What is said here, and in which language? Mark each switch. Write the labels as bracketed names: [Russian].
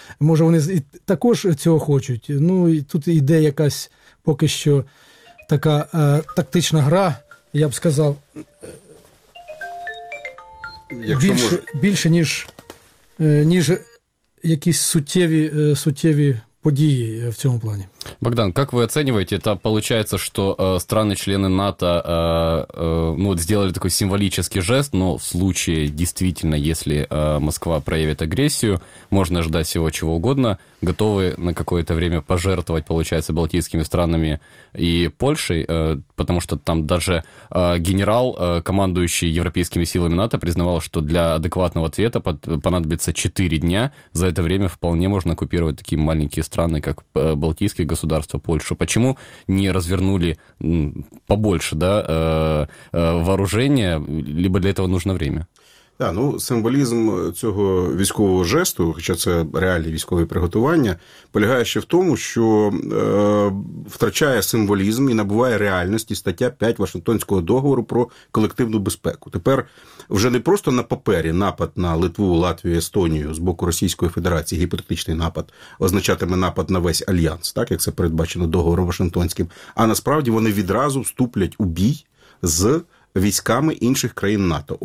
[Ukrainian] Може, вони також цього хочуть. Ну, і тут іде якась поки що така тактична гра, я б сказав, більше ніж якісь суттєві події в цьому плані. [Russian] Богдан, как вы оцениваете, это получается, что страны-члены НАТО сделали такой символический жест, но в случае, действительно, если Москва проявит агрессию, можно ждать всего чего угодно, готовы на какое-то время пожертвовать, получается, балтийскими странами и Польшей, потому что там даже генерал, командующий европейскими силами НАТО, признавал, что для адекватного ответа понадобится 4 дня, за это время вполне можно оккупировать такие маленькие страны, как балтийские государства, Польшу. Почему не развернули побольше, да, вооружения, либо для этого нужно время? [Ukrainian] Да, ну, символізм цього військового жесту, хоча це реальні військові приготування, полягає ще в тому, що втрачає символізм і набуває реальності стаття 5 Вашингтонського договору про колективну безпеку. Тепер вже не просто на папері напад на Литву, Латвію, Естонію з боку Російської Федерації, гіпотетичний напад, означатиме напад на весь альянс, так, як це передбачено договором Вашингтонським, а насправді вони відразу вступлять у бій з військами інших країн НАТО.